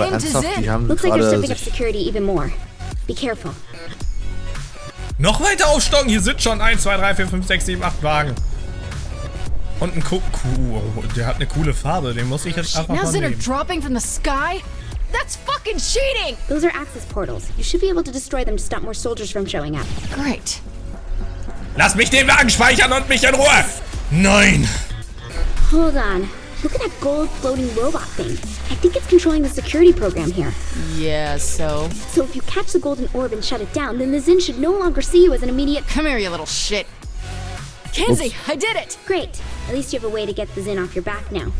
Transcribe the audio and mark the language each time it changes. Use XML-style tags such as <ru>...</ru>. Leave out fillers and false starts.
<de>Aber ernsthaft, die haben</de> <en>looks like they're stepping up security even more. Be careful.</en> <de>Noch weiter aufstocken, hier sind schon 1, 2, 3, 4, 5, 6, 7, 8 Wagen. Und ein der hat eine coole Farbe, den muss ich jetzt einfach mal nehmen.</de> <en>Now Zin are dropping from the sky? That's fucking cheating! Those are access portals. You should be able to destroy them to stop more soldiers from showing up. Great.</en> <de>Lass mich den Wagen speichern und mich in Ruhe! Nein!</de> <en>Hold on. Look at that gold floating robot thing. I think it's controlling the security program here. Yeah, so? So if you catch the golden orb and shut it down, then the Zin should no longer see you as an immediate... Come here, you little shit. Kinsey, I did it! Great. At least you have a way to get the Zin off your back now.</en>